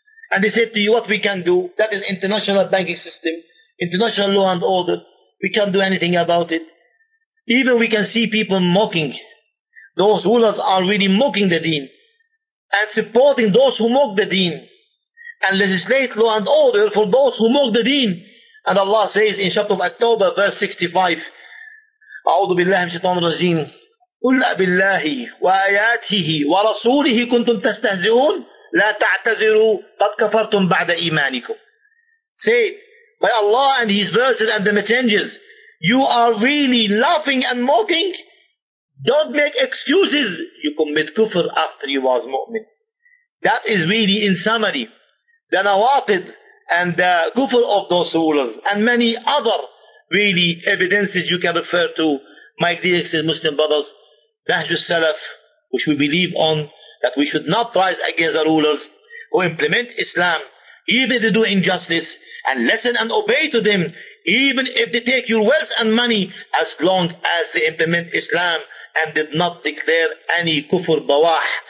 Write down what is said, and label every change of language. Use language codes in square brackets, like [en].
[en] And they said to you, what we can do, that is international banking system, international law and order, we can't do anything about it. Even we can see people mocking. Those rulers are really mocking the deen, and supporting those who mock the deen, and legislate law and order for those who mock the deen. And Allah says in chapter of At-Tawbah, verse 65, [ar] أَعُوذُ بِاللَّهِ مِشَيْطَانُ الرَّجِيمُ قُلْ أَبِاللَّهِ وَآيَاتِهِ وَرَسُولِهِ كُنْتُمْ تَسْتَهْزِئُونَ لَا تَعْتَزِرُوا قَدْ كَفَرْتُمْ بَعْدَ إِيمَانِكُمْ. [en] Say, by Allah and His verses and the messengers, you are really laughing and mocking? Don't make excuses. You commit kufr after you was mu'min. That is really, in summary, the nawaqid and the kufr of those rulers, and many other really evidences you can refer to, my dear Muslim brothers, Nahjus Salaf, which we believe on, that we should not rise against the rulers who implement Islam, even if they do injustice, and listen and obey to them, even if they take your wealth and money, as long as they implement Islam and did not declare any kufr bawah.